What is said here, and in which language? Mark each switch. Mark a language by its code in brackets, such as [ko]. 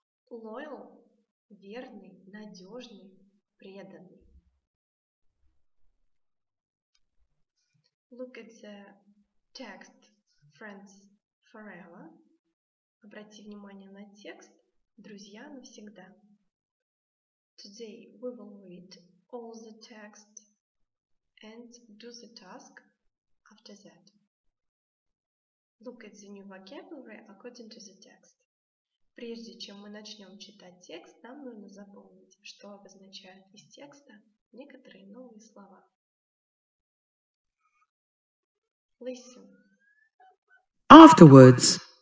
[ru] Loyal – верный, надежный, преданный. [en] Look at the text Friends Forever. [ru] Обрати внимание на текст Друзья навсегда. [en] Today we will read all the text and do the task after that. Look at the new vocabulary according to the text. [ru] Прежде чем мы начнем читать текст, нам нужно запомнить, что обозначают из текста некоторые новые слова. [en] Listen. Afterwards.